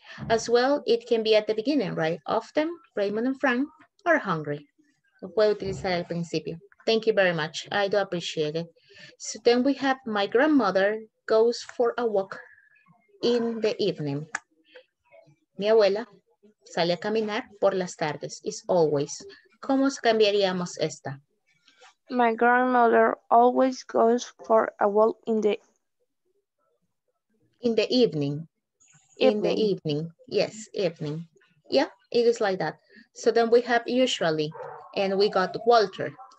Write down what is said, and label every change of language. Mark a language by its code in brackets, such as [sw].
[en] As well, it can be at the beginning, right? Often, Raymond and Frank are hungry. [es] Lo puedo utilizar al principio. [en] Thank you very much, I do appreciate it. So then we have my grandmother goes for a walk in the evening. [es] Mi abuela sale a caminar por las tardes. [en] It's always. [es] ¿Cómo cambiaríamos esta? [en] My grandmother always goes for a walk in the evening. Yes, evening. Yeah, it is like that. So then we have usually, and we got Walter.